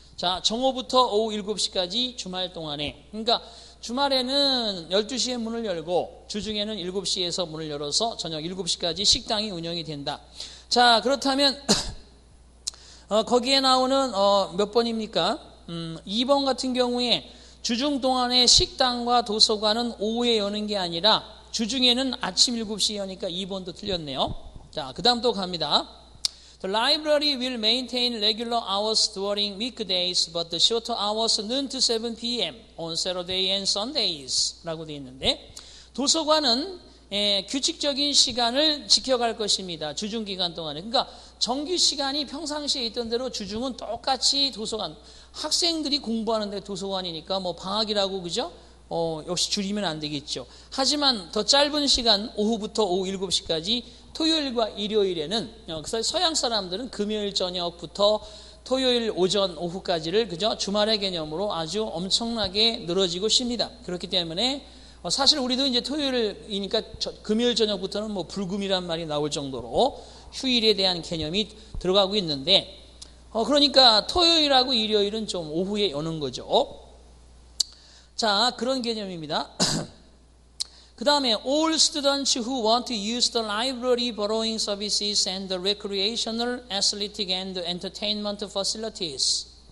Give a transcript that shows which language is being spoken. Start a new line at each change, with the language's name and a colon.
Korean: 자, 정오부터 오후 7시까지 주말 동안에 그러니까 주말에는 12시에 문을 열고 주중에는 7시에서 문을 열어서 저녁 7시까지 식당이 운영이 된다. 자, 그렇다면 거기에 나오는 몇 번입니까? 2번 같은 경우에 주중 동안에 식당과 도서관은 오후에 여는 게 아니라 주중에는 아침 7시에 여니까 2번도 틀렸네요. 자, 그 다음 또 갑니다.
English: The library will maintain regular hours during weekdays, but the shorter hours noon to 7 p.m. on Saturday and Sundays
Korean: 라고 되어 있는데 도서관은 규칙적인 시간을 지켜갈 것입니다. 주중 기간 동안에. 그러니까 정규 시간이 평상시에 있던 대로 주중은 똑같이 도서관. 학생들이 공부하는데 도서관이니까 뭐 방학이라고 그죠? 역시 줄이면 안 되겠죠. 하지만 더 짧은 시간 오후부터 오후 7시까지 토요일과 일요일에는 서양 사람들은 금요일 저녁부터 토요일 오전 오후까지를 그죠? 주말의 개념으로 아주 엄청나게 늘어지고 쉽니다. 그렇기 때문에 사실 우리도 이제 토요일이니까 금요일 저녁부터는 뭐 불금이란 말이 나올 정도로 휴일에 대한 개념이 들어가고 있는데 그러니까 토요일하고 일요일은 좀 오후에 여는 거죠. 자, 그런 개념입니다. 그 다음에
English: All students who want to use the library borrowing services and the recreational, athletic and entertainment facilities.